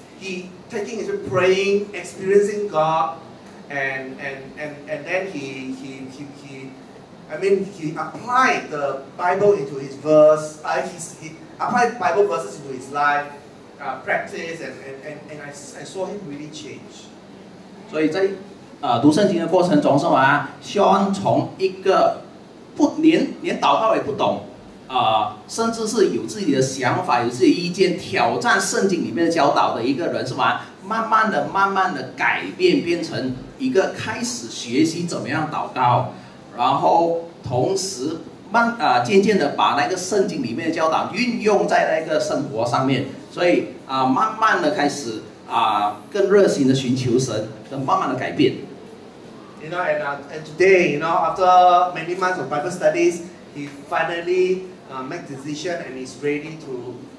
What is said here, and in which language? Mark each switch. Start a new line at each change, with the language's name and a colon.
English: He taking his praying, experiencing God. And then he applied the Bible into his verse. He applied Bible verses into his life, practice, and I saw him really change.
Chinese: 所以在读圣经的过程中是吗 ？Sean 从一个不连祷告也不懂，甚至是有自己的想法、有自己的意见、挑战圣经里面的教导的一个人是吗？慢慢的改变，变成一个开始学习怎么样祷告，然后同时渐渐的把那个圣经里面的教导运用在那个生活上面，所以慢慢的开始更热心的寻求神，跟慢慢的改变。
English: You know, and today, you know, after many months of Bible studies, he finally make decision and is ready to.